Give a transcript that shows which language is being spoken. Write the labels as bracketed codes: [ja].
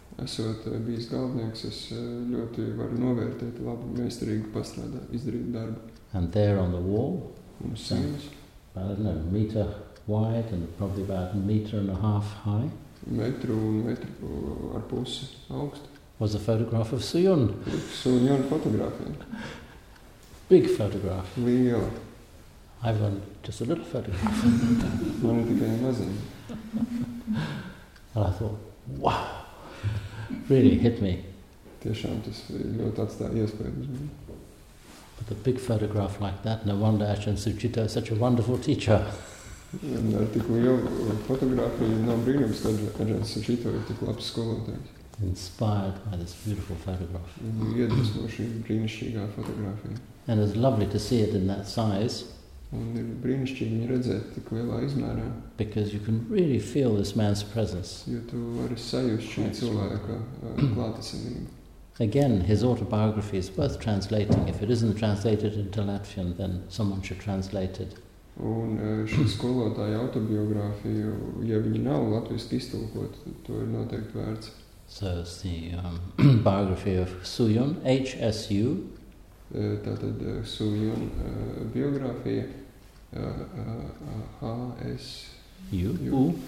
[lv] Esot bijis galvenieks, es ļoti varu novērtēt labu meistarīgu izdarītu darbu. [en] And there on the wall, [lv] un sienas, [en] I don't know, meter wide and probably about a meter and a half high, [lv] metru un metru ar pusi augstu. [en] Was a photograph of Su Yun. [lv] Su Yun fotografija. [en] Big photograph. [lv] Liela. [en] I want just a little photograph. [lv] Man ir tikai maziņa. [en] And I thought, wow, really hit me. [lv] Tiešām tas ļoti atstāja iespēju. [en] But a big photograph like that, no wonder Ajahn Sucitto is such a wonderful teacher. [lv] Un ar tik lielu fotogrāfiju nav brīnums, ka Ajahn Sucitto ir tik labs skolotājs. [en] Inspired by this beautiful photograph. [lv] Iedvesmo šī brīnišķīgā fotogrāfija. [en] And it's lovely to see it in that size. [lv] Un ir brīnišķīgi redzēt tik lielā izmērā. [en] Because you can really feel this man's presence. [lv] Jo tu vari sajust šī cilvēka klātesamību. [en] Again, his autobiography is worth translating. If it isn't translated into Latvian, then someone should translate it. [lv] Un šī skolotāja autobiogrāfija, ja viņa nav latviski iztulkota, to ir noteikti vērts. [en] So it's the biography of Suyun, H-S-U. [lv] Tātad Suyun biogrāfija, H-S-U.